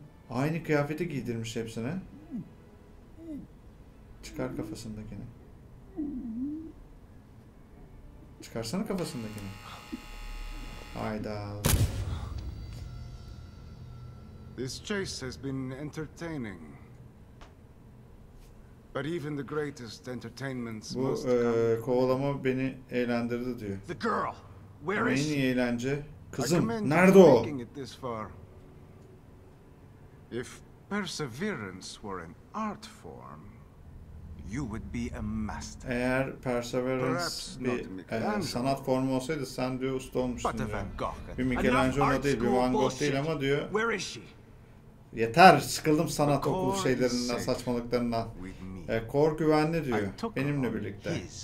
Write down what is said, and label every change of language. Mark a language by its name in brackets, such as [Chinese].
[Turkish] Aynı kıyafeti giydirmiş hepsine. Çıkar kafasındakini. Çıkarsana kafasındakini. Hayda. [English] This chase has been entertaining. But even the greatest entertainments must come. [Turkish] Bu kovalama beni eğlendirdi diyor. [English] The girl. Where is she? [Turkish] En iyi eğlence. Kızım, nerede o? [English] If perseverance were an art form, you would be a master. [Turkish] Eğer perseverance bir sanat formu olsaydı sen diyor usta olmuşsun diyor. Bir Michelangelo değil, bir Van Gogh değil ama diyor. [English] Where is she? [Turkish] Yeter, sıkıldım sanat okulu şeylerinden, saçmalıklarından. Kor güvenli diyor, benimle birlikte.